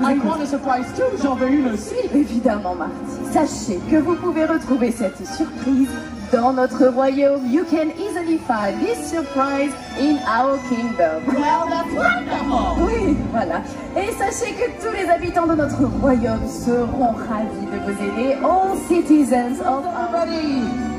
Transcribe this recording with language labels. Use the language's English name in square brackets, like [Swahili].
[English] I want a surprise too, [French] j'en veux une aussi. Évidemment, Marty. Sachez que vous pouvez retrouver cette surprise dans notre royaume. [English] You can easily find this surprise in our kingdom. Well, that's wonderful. [French] Oui, voilà. Et sachez que tous les habitants de notre royaume seront ravis de vous aider. [English] All citizens of everybody.